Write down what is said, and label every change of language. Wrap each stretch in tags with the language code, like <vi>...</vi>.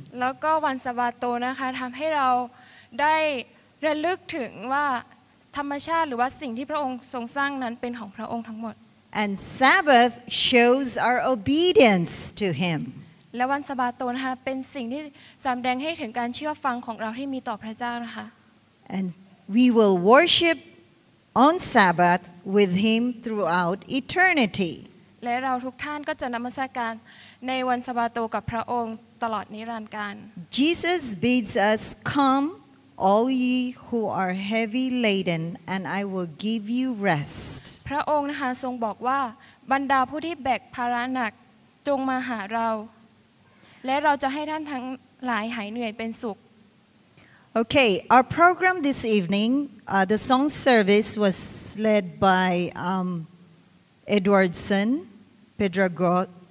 <th>แล้วก็วันสะบาโตนะคะทําให้เราได้ระลึกถึงว่าธรรมชาติหรือว่าสิ่งที่พระองค์ทรงสร้างนั้นเป็นของพระองค์ทั้งหมด</th> <en>And Sabbath shows our obedience to Him.</en> <th>และวันสะบาโตนะคะเป็นสิ่งที่สำแดงให้ถึงการเชื่อฟังของเราที่มีต่อพระเจ้านะคะ</th> <en>And we will worship on Sabbath with Him throughout eternity.</en> <th>และเราทุกท่านก็จะนมัสการในวันสะบาโตกับพระองค์ตลอดนิรันดร์กาล</th> <en>Jesus bids us, "Come, all ye who are heavy laden, and I will give you rest."</en> <th>พระองค์นะคะทรงบอกว่าบรรดาผู้ที่แบกภาระหนักจงมาหาเราและเราจะให้ท่านทั้งหลายหายเหนื่อยเป็นสุข</th> <en>Okay, our program this evening, the song service was led by Edwardson Pedregosa.</en>